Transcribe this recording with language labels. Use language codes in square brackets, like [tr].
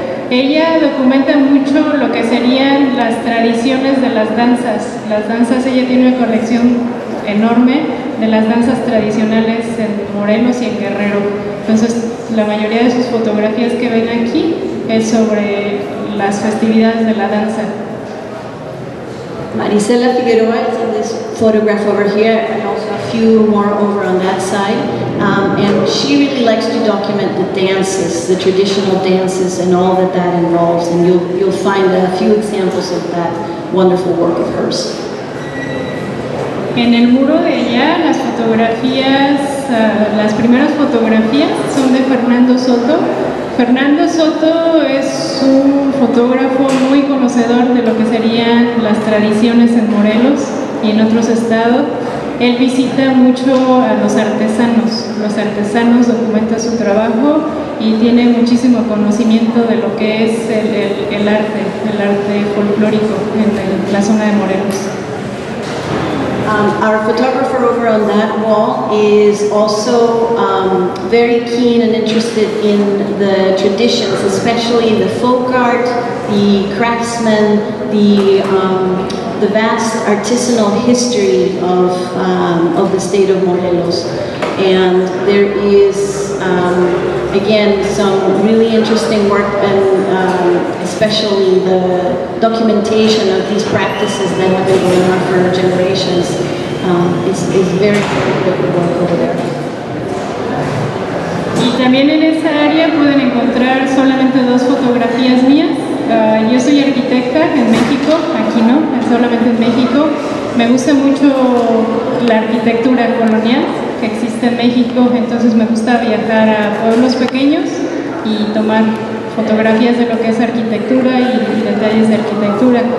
[es] Ella documenta mucho lo que serían las tradiciones de las danzas. Las danzas, ella tiene una colección enorme de las danzas tradicionales en Morelos y en Guerrero. Entonces, la mayoría de sus fotografías que ven aquí es sobre las festividades de la danza. [en] Marisela Figueroa is in this photograph over here and also a few more over on that side. And she really likes to document the dances, the traditional dances and all that that involves. And you'll find a few examples of that wonderful work of hers. [es] En el muro de allá, las fotografías, las primeras fotografías son de Fernando Soto. Fernando Soto es un fotógrafo muy conocedor de lo que serían las tradiciones en Morelos y en otros estados. Él visita mucho a los artesanos documentan su trabajo y tiene muchísimo conocimiento de lo que es el arte folclórico en la zona de Morelos. [en] Our photographer over on that wall is also very keen and interested in the traditions, especially the folk art, the craftsmen, the vast artisanal history of the state of Morelos. And there is, again, some really interesting work and especially the documentation of these practices that have been going on for generations. It's very important to work over there. [es] Y también en esa área pueden encontrar solamente dos fotografías mías. Yo soy arquitecta en México, aquí no, solamente en México. Me gusta mucho la arquitectura colonial que existe en México, entonces me gusta viajar a pueblos pequeños y tomar fotografías de lo que es arquitectura y detalles de arquitectura.